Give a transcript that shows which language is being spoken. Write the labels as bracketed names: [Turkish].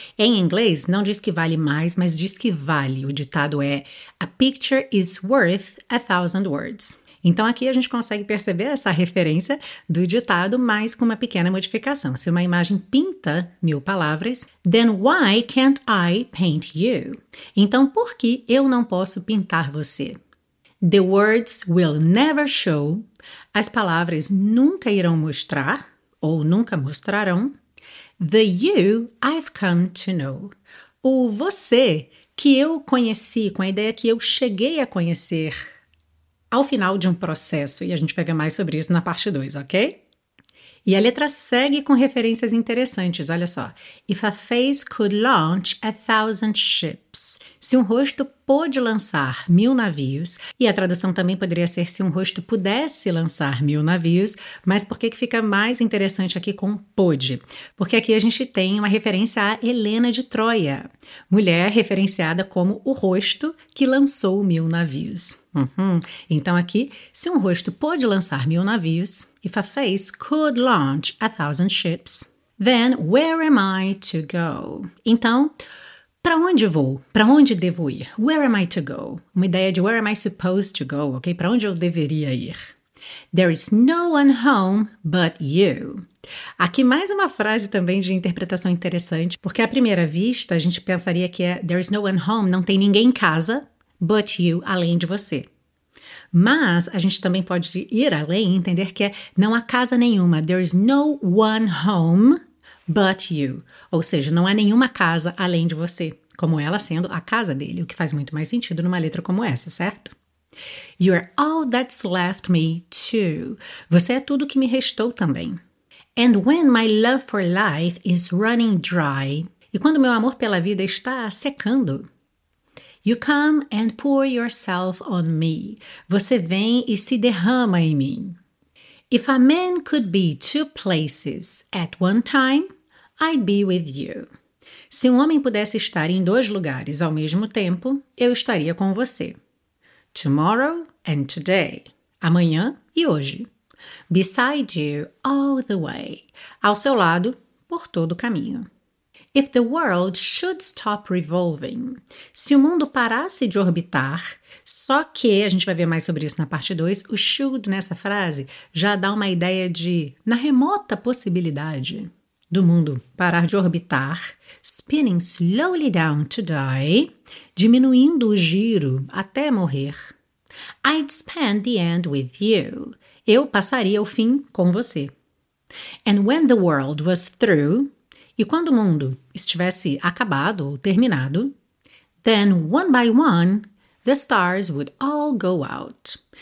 [Portuguese] Em inglês, não diz que vale mais, mas diz que vale. O ditado é [English] A picture is worth 1,000 words. [Portuguese] Então aqui a gente consegue perceber essa referência do ditado, mas com uma pequena modificação. Se uma imagem pinta 1,000 palavras, [English] then why can't I paint you? [Portuguese] Então por que eu não posso pintar você? [English] The words will never show. [Portuguese] As palavras nunca irão mostrar ou nunca mostrarão. [English] The you I've come to know. [Portuguese] O você que eu conheci com a ideia que eu cheguei a conhecer ao final de um processo, e a gente vai ver mais sobre isso na parte 2, ok? E a letra segue com referências interessantes, olha só. [English] If a face could launch 1,000 ships. [Portuguese] Se um rosto pôde lançar 1,000 navios, e a tradução também poderia ser se um rosto pudesse lançar 1,000 navios, mas por que fica mais interessante aqui com pôde? Porque aqui a gente tem uma referência a Helena de Troia, mulher referenciada como o rosto que lançou 1,000 navios. Então aqui, se um rosto pôde lançar 1,000 navios, [English] if a face could launch 1,000 ships, then where am I to go? [Portuguese] Então, para onde vou? Para onde devo ir? [English] Where am I to go? [Portuguese] Uma ideia de [English] where am I supposed to go, [Portuguese] ok? Para onde eu deveria ir? [English] There is no one home but you. [Portuguese] Aqui mais uma frase também de interpretação interessante, porque à primeira vista a gente pensaria que é [English] there is no one home, [Portuguese] não tem ninguém em casa, [English] but you, [Portuguese] além de você. Mas a gente também pode ir além e entender que é não há casa nenhuma, [English] there is no one home but you, [Portuguese] ou seja, não há nenhuma casa além de você, como ela sendo a casa dele, o que faz muito mais sentido numa letra como essa, certo? [English] You're all that's left me too. [Portuguese] Você é tudo que me restou também. [English] And when my love for life is running dry. [Portuguese] E quando meu amor pela vida está secando. [English] You come and pour yourself on me. [Portuguese] Você vem e se derrama em mim. [English] If a man could be two places at one time, I'd be with you. [Portuguese] Se um homem pudesse estar em dois lugares ao mesmo tempo, eu estaria com você. [English] Tomorrow and today. [Portuguese] Amanhã e hoje. [English] Beside you all the way. [Portuguese] Ao seu lado, por todo o caminho. [English] If the world should stop revolving. [Portuguese] Se o mundo parasse de orbitar, só que, a gente vai ver mais sobre isso na parte 2, o should nessa frase já dá uma ideia de, na remota possibilidade do mundo parar de orbitar, [English] spinning slowly down to die, [Portuguese] diminuindo o giro até morrer, [English] I'd spend the end with you. [Portuguese] Eu passaria o fim com você. [English] And when the world was through, [Portuguese] e quando o mundo estivesse acabado ou terminado, [English] then one by one, the stars would all go out.